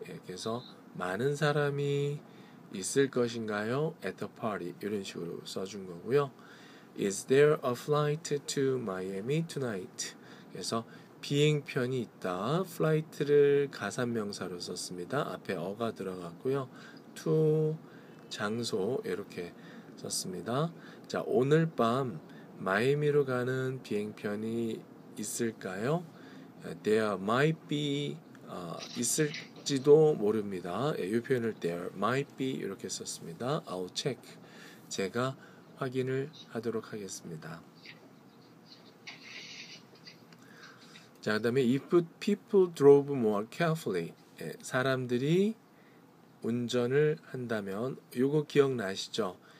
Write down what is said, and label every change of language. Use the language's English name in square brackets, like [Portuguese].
[Korean] 예, 그래서 많은 사람이 있을 것인가요? at the party 이런 식으로 써준 거고요. [English] Is there a flight to Miami tonight? [Korean] 그래서 비행편이 있다. flight를 가산명사로 썼습니다. 앞에 어가 들어갔고요. to 장소 이렇게 썼습니다. 자, 오늘 밤 마이애미로 가는 비행편이 있을까요? [English] There might be [Korean] 있을지도 모릅니다. 예, 이 표현을 there might be 이렇게 썼습니다. [English] I'll check. [Korean] 제가 확인을 하도록 하겠습니다. 자, 그 다음에 [English] if people drove more carefully, [Korean] 예, 사람들이 운전을 한다면, 이거 기억나시죠?